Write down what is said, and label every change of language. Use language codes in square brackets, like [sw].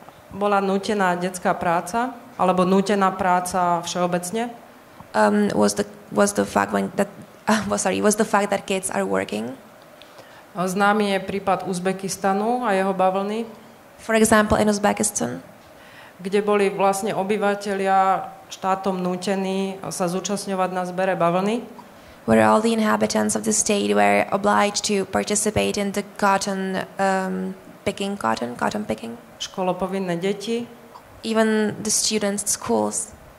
[sk] Bola nútená detská práca, alebo nútená práca všeobecne. [en] Was the fact that kids are working. [sk] Známy je prípad Uzbekistanu a jeho bavlny. [en] For example, in Uzbekistan. [sk] Kde boli vlastne obyvateľia štátom nútení sa zúčastňovať na zbere bavlny. [en] Where all the inhabitants of the state were obliged to participate in the cotton picking. [sk] Školopovinné deti. [en] Even the students' schools.